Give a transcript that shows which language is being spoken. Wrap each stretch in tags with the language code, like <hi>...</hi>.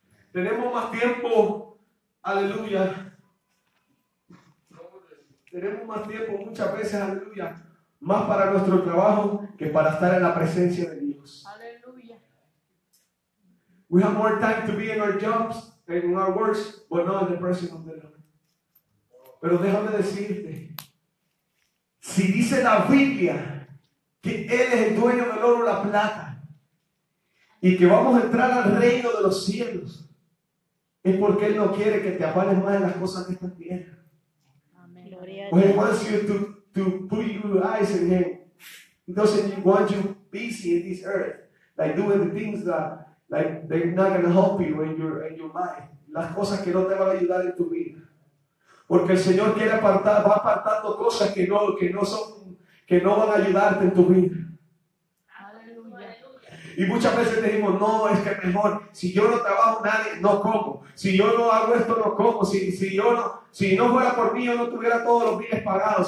<es>Tenemos más tiempo, aleluya. Tenemos más tiempo, muchas veces, aleluya, más para nuestro trabajo que para estar en la presencia de Dios. Aleluya.</es> <en>We have more time to be in our jobs and in our works, but not in the presence of the Lord.</en> <es>Pero déjame decirte, si dice la Biblia que Él es el dueño del oro y la plata, y que vamos a entrar al reino de los cielos es porque Él no quiere que te apares más de las cosas de esta tierra. Amén. Gloria a Dios.</es> <en>Well, he wants you to put your eyes in Him. He doesn't want you busy in this earth, like doing the things that like they're not going to help you in your mind.</en> <es>Las cosas que no te van a ayudar en tu vida. Porque el Señor quiere apartar, va apartando cosas que no van a ayudarte en tu vida. Y muchas veces decimos, no, es que mejor, si yo no trabajo nadie, no como. Si yo no hago esto, no como. Si no fuera por mí, yo no tuviera todos los bienes pagados.</es>